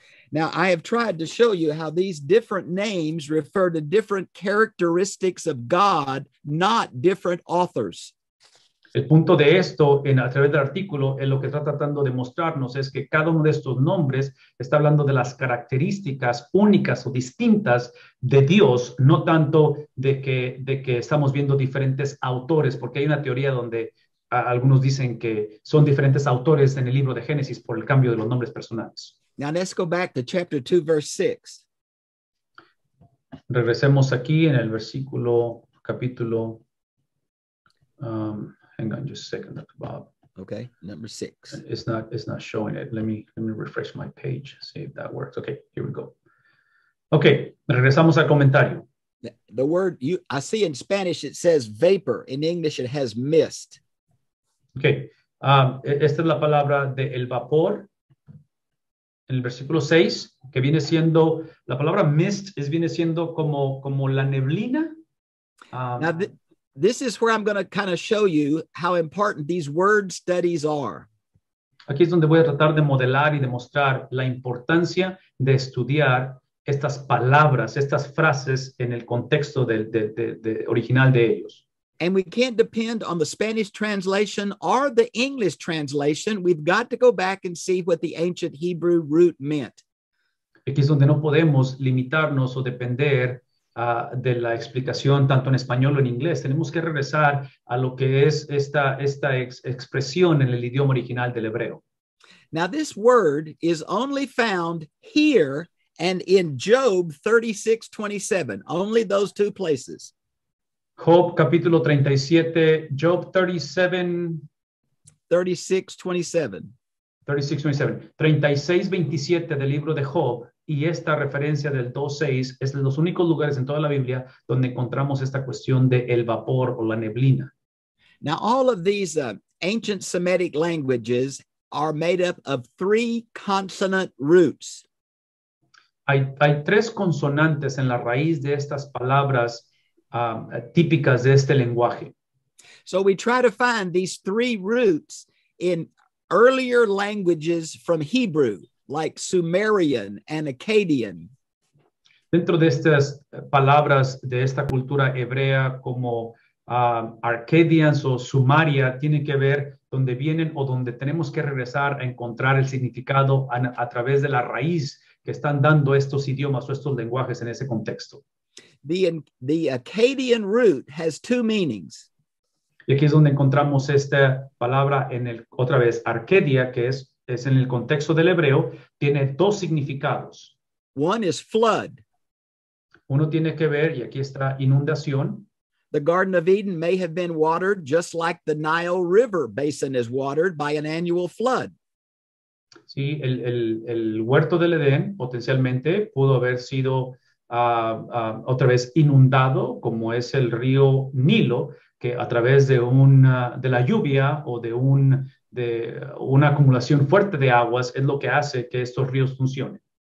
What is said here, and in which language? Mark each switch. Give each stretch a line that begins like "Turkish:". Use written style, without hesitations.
English: Now, I have tried to show you how these different names refer to different characteristics of God, not different authors.
Spanish: El punto de esto, a través del artículo, en lo que está tratando de mostrarnos es que cada uno de estos nombres está hablando de las características únicas o distintas de Dios, no tanto de que estamos viendo diferentes autores, porque hay una teoría donde algunos dicen que son diferentes autores en el libro de Génesis por el cambio de los nombres personales.
English: Now let's go back to chapter 2, verse 6.
Spanish: Regresemos aquí en el versículo, capítulo...
English: Hang on just a second, Dr. Bob. Okay, number 6. It's not showing it. Let me refresh my page, see if that works. Okay, here we go. Okay,
Spanish: regresamos al comentario.
English: The word I see in Spanish, it says vapor. In English, it has mist.
Spanish: Okay, esta es la palabra de el vapor. En el versículo 6, que viene siendo, la palabra mist viene siendo como la neblina.
English: This is where I'm going to kind of show you how important these word studies are.
Spanish: Aquí es donde voy a tratar de modelar y demostrar la importancia de estudiar estas palabras, estas frases en el contexto de original de ellos.
English: And we can't depend on the Spanish translation or the English translation. We've got to go back and see what the ancient Hebrew root meant.
Spanish: Aquí es donde no podemos limitarnos o depender de la explicación tanto en español o en inglés. Tenemos que regresar a lo que es esta expresión en el idioma original del hebreo.
English: Now this word is only found here and in Job 36:27, only those two places.
Spanish: Job capítulo 37, Job 36:27. 36:27, 36:27 del libro de Job Y esta referencia del 2:6 es de los únicos lugares en toda la Biblia donde encontramos esta cuestión de el vapor o la neblina.
English: Now, all of these ancient Semitic languages are made up of three consonant roots.
Spanish: Hay tres consonantes en la raíz de estas palabras típicas de este lenguaje.
English: So we try to find these three roots in earlier languages from Hebrew, like Sumerian and Akkadian.
Spanish: Dentro de estas palabras de esta cultura hebrea como Arcadians o Sumaria, tiene que ver donde vienen o donde tenemos que regresar a encontrar el significado a través de la raíz que están dando estos idiomas o estos lenguajes en ese contexto.
English: The Akkadian root has two meanings.
Spanish: Y aquí es donde encontramos esta palabra en el, otra vez, Arcadia, que es en el contexto del hebreo, tiene dos significados.
English: One is flood.
Spanish: Uno tiene que ver, y aquí está, inundación.
English: The Garden of Eden may have been watered just like the Nile River basin is watered by an annual flood.
Spanish: Sí, el huerto del Edén potencialmente pudo haber sido otra vez inundado, como es el río Nilo, que a través de una, de la lluvia o de una acumulación fuerte de aguas es lo que hace que estos ríos funcionen.